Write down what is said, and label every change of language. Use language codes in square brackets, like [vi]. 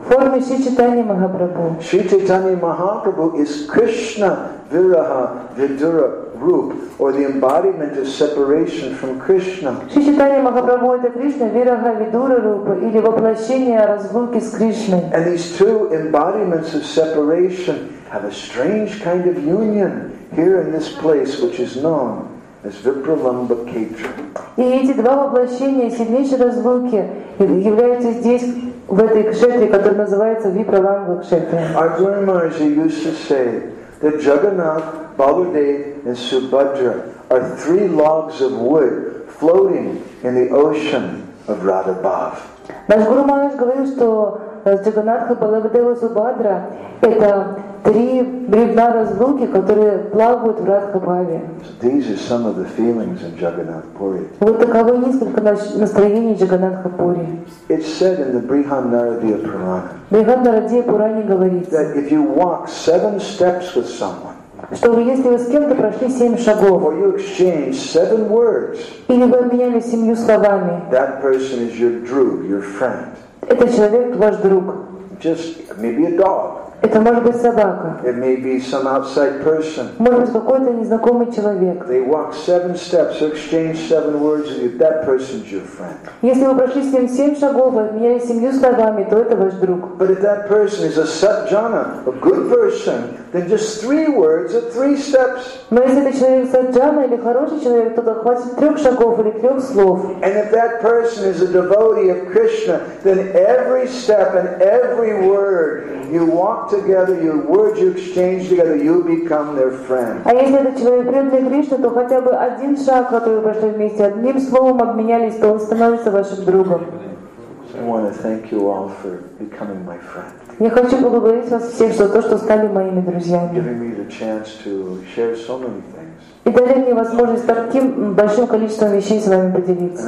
[ru] В форме Шри Чайтаньи Махапрабху. [en] Sri Chaitanya Mahaprabhu is Krishna Viraha Vidura Rupa, or the embodiment of separation from Krishna. [ru] Шри Чайтанья Махапрабху это Кришна Вираха Видура Рупа или воплощение разлуки с Кришной. [en] And these two embodiments of separation have a strange kind of union here in this place, which is known as Vipralamba Kedra. [ru] И эти два воплощения сильнейшей разлуки являются здесь в этой кшетре, которая называется Vipralamba Kshetra. [en] Arjuna Maharaja used to say that Jagannath, Baladev, and Subhadra are three logs of wood floating in the ocean of Radha Bhav. [ru] Наш Гуру Махарадж говорил, что Джаганнатха, Баладева, Субхадра — это три бревна разлуки, которые плавают в Радхабхаве. [en] So [ru] вот таковы несколько настроений Джаганнатха Пури. [en] It's said in the Brihadnaradiya Purana. [ru] Брихаднарадия Пуране говорится, [en] that if you walk seven steps with someone, [ru] что вы, если вы с кем-то прошли семь шагов, [en] or you exchange seven words, [ru] или вы обменялись семью словами, [en] that person is your [ru] друг, [en] your friend. [ru] Это человек ваш друг. [en] Just maybe a dog. [ru] Это может быть собака. [en] It may be some outside person. [ru] Может быть какой-то незнакомый человек. [en] They walk seven steps or exchange seven words with you. That person's your friend. [ru] Если вы прошли с ним семь шагов, обменялись семью словами, то это ваш друг. [en] But if that person is a sadjana, a good person, then just three words or three steps. [ru] Но если это человек сатджана или хороший человек, то хватит трех шагов или трех слов. [en] And if that person is a devotee of Krishna, then every step and every word you walk together, your words you exchange together, you become their friend. [ru] А если этот человек преданный Кришне, то хотя бы один шаг, который вы прошли вместе, одним словом обменялись, то он становится вашим другом. [en] I want to thank you all for becoming my friend. [ru] Я хочу поблагодарить вас всех за то, что стали моими друзьями. [en] Giving me the chance to share so many things. [ru] И дали мне возможность таким большим количеством вещей с вами поделиться.